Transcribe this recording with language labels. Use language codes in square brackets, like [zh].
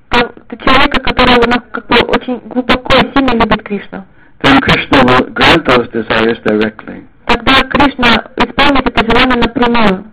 [ru] То человека, который очень глубоко и сильно любит Кришну. [en] Then Krishna will grant those desires directly. [ru] Тогда Кришна исполнит это желание напрямую.